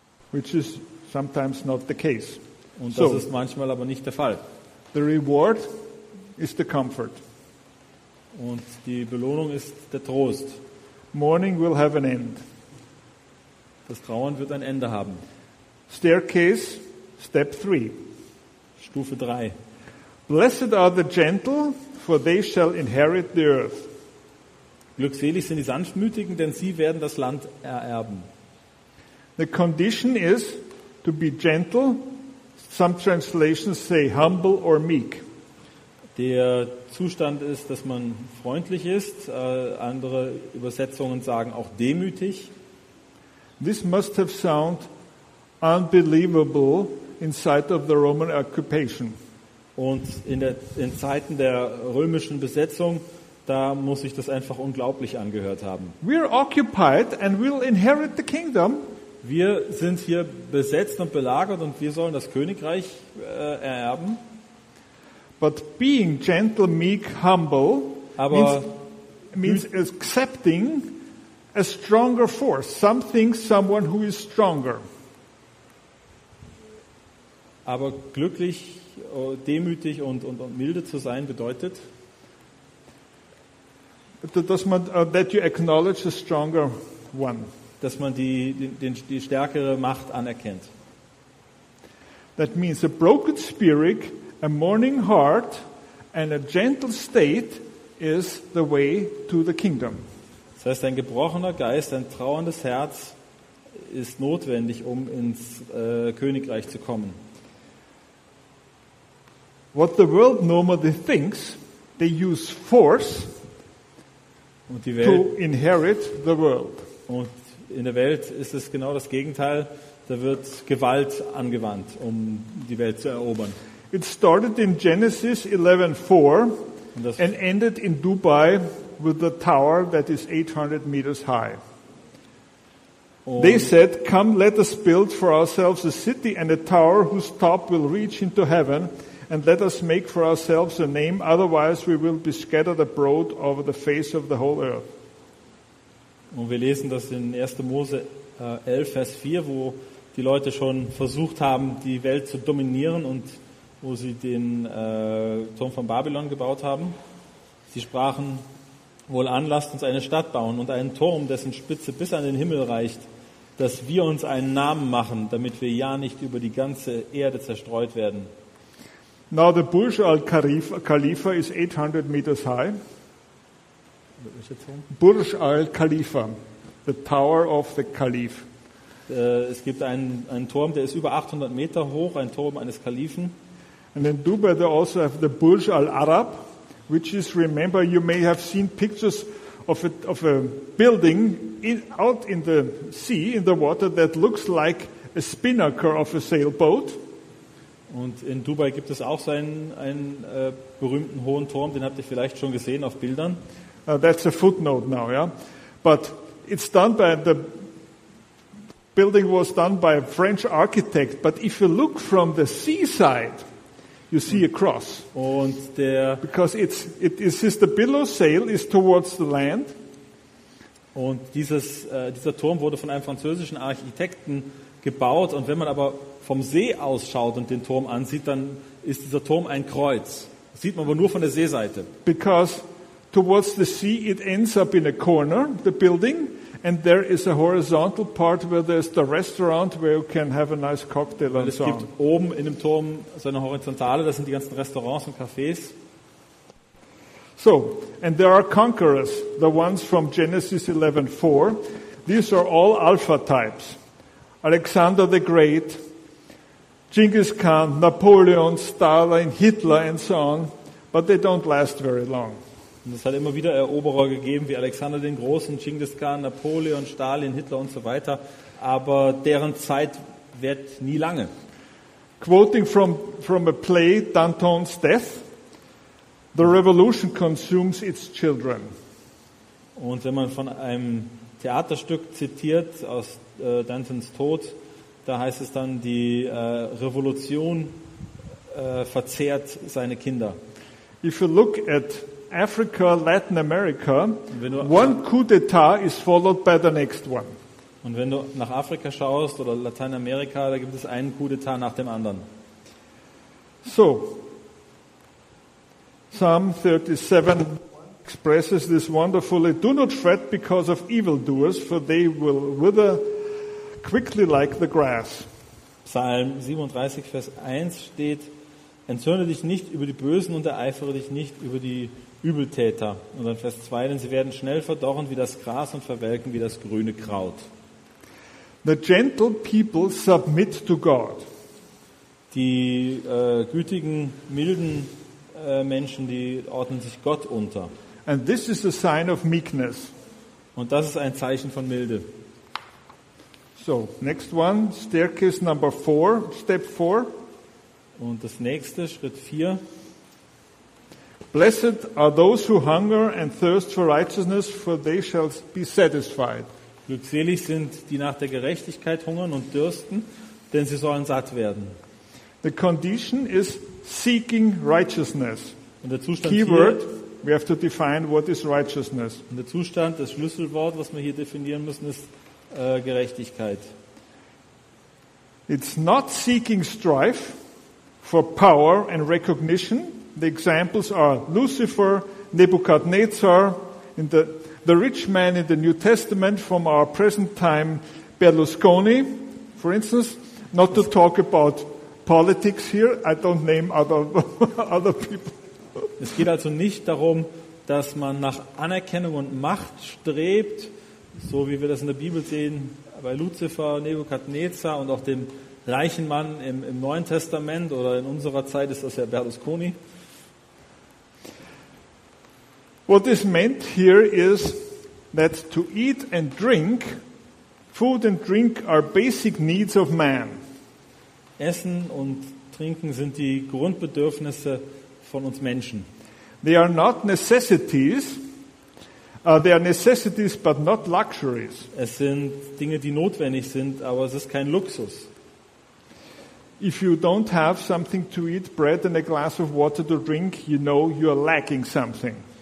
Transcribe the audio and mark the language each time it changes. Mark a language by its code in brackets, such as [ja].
[en] Which is sometimes not the case. [de] Und das ist manchmal aber nicht der Fall. [en] The reward is the comfort. [de] Und die Belohnung ist der Trost. [en] Mourning will have an end. [de] Das Trauern wird ein Ende haben. [en] Staircase, step 3. [de] Stufe 3. [en] Blessed are the gentle, for they shall inherit the earth. [de] Glückselig sind die Sanftmütigen, denn sie werden das Land ererben. [en] The condition is to be gentle. Some translations say humble or meek. [de] Der Zustand ist, dass man freundlich ist. Andere Übersetzungen sagen auch demütig. [en] This must have sound unbelievable in sight of the Roman occupation. [de] Und in Zeiten der römischen Besetzung, da muss sich das einfach unglaublich angehört haben. [en] We're occupied and we'll inherit the kingdom. [de] Wir sind hier besetzt und belagert und wir sollen das Königreich ererben. [en] But being gentle, meek, humble [de] aber [en] means accepting a stronger force, something, someone who is stronger. [de] Aber glücklich, demütig und milde zu sein bedeutet, [en] that you acknowledge the stronger one. [de] Dass man die stärkere Macht anerkennt. [en] That means a broken spirit, a mourning heart and a gentle state is the way to the kingdom. [de] Das heißt, ein gebrochener Geist, ein trauerndes Herz ist notwendig, um ins Königreich zu kommen. [en] What the world normally thinks, they use force [de] und die Welt, [en] to inherit the world. [de] Und in der Welt ist es genau das Gegenteil. Da wird Gewalt angewandt, um die Welt zu erobern. [en] It started in Genesis 11:4 and ended in Dubai with the tower that is 800 meters high. They said, come let us build for ourselves a city and a tower whose top will reach into heaven. And let us make for ourselves a name, otherwise we will be scattered abroad over the face of the whole earth. [de] Und wir lesen das in 1. Mose 11, Vers 4, wo die Leute schon versucht haben, die Welt zu dominieren und wo sie den Turm von Babylon gebaut haben. Sie sprachen wohl an, lasst uns eine Stadt bauen und einen Turm, dessen Spitze bis an den Himmel reicht, dass wir uns einen Namen machen, damit wir ja nicht über die ganze Erde zerstreut werden. [en] Now the Burj Al Khalifa is 800 meters high. Burj Al Khalifa, the tower of the Caliph. [de] Es gibt einen Turm, der ist über 800 Meter hoch, ein Turm eines Kalifen. [en] And in Dubai they also have the Burj Al Arab, which is, remember, you may have seen pictures of a building out in the sea, in the water, that looks like a spinnaker of a sailboat. [de] Und in Dubai gibt es auch einen berühmten hohen Turm, den habt ihr vielleicht schon gesehen auf Bildern. [en] That's a footnote now, yeah. But it's done by the building was done by a French architect. But if you look from the seaside, you see a cross. [de] Und der [en] because it is the billow sail is towards the land. [de] Und dieser Turm wurde von einem französischen Architekten gebaut. Und wenn man aber vom See ausschaut und den Turm ansieht, dann ist dieser Turm ein Kreuz. Das sieht man aber nur von der Seeseite. [en] Because towards the sea it ends up in a corner, the building, and there is a horizontal part where there's the restaurant where you can have a nice cocktail and so on. [de] Es gibt oben in dem Turm so eine Horizontale, das sind die ganzen Restaurants und Cafés. [en] So, and there are conquerors, the ones from Genesis 11:4. These are all alpha types. Alexander the Great, Genghis Khan, Napoleon, Stalin, Hitler and so on, but they don't last very long. [de] Und es hat immer wieder Eroberer gegeben, wie Alexander den Großen, Genghis Khan, Napoleon, Stalin, Hitler und so weiter. Aber deren Zeit währt nie lange. [en] Quoting from a play, Danton's Death, the revolution consumes its children. [de] Und wenn man von einem Theaterstück zitiert aus Dantons Tod, da heißt es dann, die Revolution verzehrt seine Kinder. [en] If you look at Africa, Latin America, one coup d'etat is followed by the next one. [de] Und wenn du nach Afrika schaust oder Lateinamerika, da gibt es einen coup d'etat nach dem anderen. [en] So, Psalm 37 expresses this wonderfully. Do not fret because of evildoers, for they will wither quickly like the grass. [de] Psalm 37, Vers 1 steht, entzürne dich nicht über die Bösen und ereifere dich nicht über die Übeltäter. Und dann Vers 2, denn sie werden schnell verdorren wie das Gras und verwelken wie das grüne Kraut. [en] The gentle people submit to God. [de] Die gütigen, milden Menschen, die ordnen sich Gott unter. [en] And this is a sign of meekness. [de] Und das ist ein Zeichen von Milde. [en] So, next one, staircase number 4, step 4. [de] Und das nächste, Schritt 4. [en] Blessed are those who hunger and thirst for righteousness, for they shall be satisfied. [de] Glückselig sind die nach der Gerechtigkeit hungern und dürsten, denn sie sollen satt werden. [en] The condition is seeking righteousness. [de] Und der Zustand [en] Keyword, [de] hier, [en] we have to define what is righteousness. [de] Und der Zustand, das Schlüsselwort, was wir hier definieren müssen, ist Gerechtigkeit. [en] It's not seeking strife for power and recognition. The examples are Lucifer, Nebuchadnezzar, in the rich man in the New Testament from our present time, Berlusconi, for instance. Not to talk about politics here. I don't name other people. [de] Es geht also nicht darum, dass man nach Anerkennung und Macht strebt, so wie wir das in der Bibel sehen, bei Luzifer, Nebukadnezar und auch dem reichen Mann im Neuen Testament oder in unserer Zeit ist das ja Berlusconi. [en] What is meant here is that to eat and drink, food and drink are basic needs of man. [de] Essen und Trinken sind die Grundbedürfnisse von uns Menschen. [en] They are not necessities. They are necessities, but not luxuries. [de] Es sind Dinge, die notwendig sind, aber es ist kein Luxus. [en] If you don't have something to eat, bread and a glass of water to drink, you know you are lacking something.